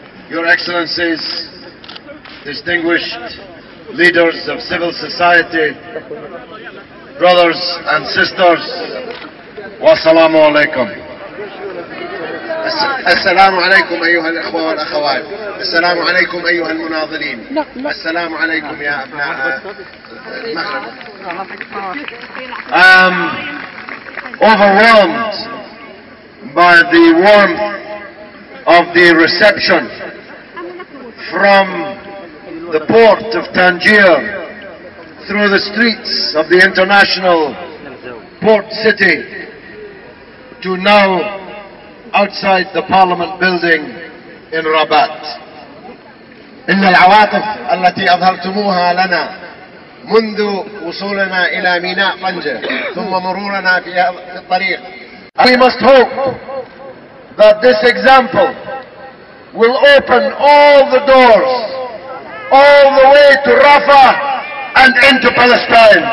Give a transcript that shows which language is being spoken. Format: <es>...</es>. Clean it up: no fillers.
<en>Your Excellencies, distinguished leaders of civil society, brothers and sisters,</en> <ar>والسلام عليكم. السلام عليكم أيها الأخوة والأخوات. السلام عليكم أيها المناضلين. السلام عليكم يا أبناء المغرب.</ar> <en>I'm overwhelmed by the warmth of the reception from the port of Tangier through the streets of the international port city to now outside the parliament building in Rabat.</en> <ar>إن العواطف التي أظهرتموها لنا منذ وصولنا إلى ميناء طنجة ثم مرورنا في الطريق.</ar> <en>We must hope that this example will open all the doors all the way to Rafah and into Palestine.</en>